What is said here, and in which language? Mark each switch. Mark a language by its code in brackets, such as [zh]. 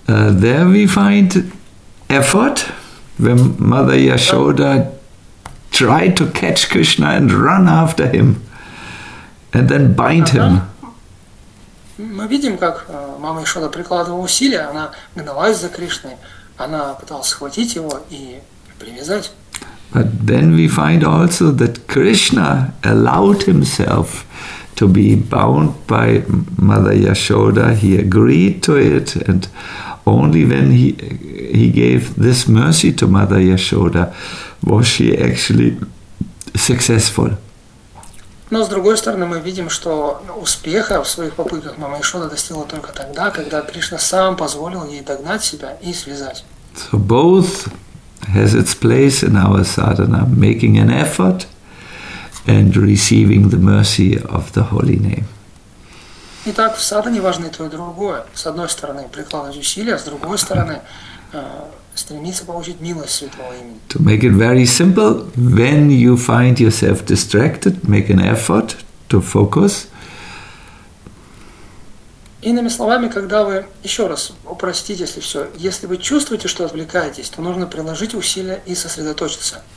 [en] There we find effort when Mother Yashoda tried to catch Krishna and run after him and then bind him. [ru] Мы видим, как мама Яшода прикладывала усилия, она гналась за Кришной, она пыталась схватить его и привязать. [en] But then we find also that Krishna allowed himself to be bound by Mother Yashoda. He agreed to it, and only when he gave this mercy to Mother Yashoda was she actually successful. [ru] Но с другой стороны, мы видим, что успеха в своих попытках мама Яшода достигла только тогда, когда Кришна сам позволил ей догнать себя и связать. [en] So both has its place in our sadhana, making an effort and receiving the mercy of the holy name. [ru] Итак, в садхане важно и то, и другое. С одной стороны, прикладывать усилия, с другой стороны, стремиться получить милость святого имени. [en] To make it very simple, when you find yourself distracted, make an effort to focus. [ru] Иными словами, когда вы, еще раз, упростите, если все, если вы чувствуете, что отвлекаетесь, то нужно приложить усилия и сосредоточиться.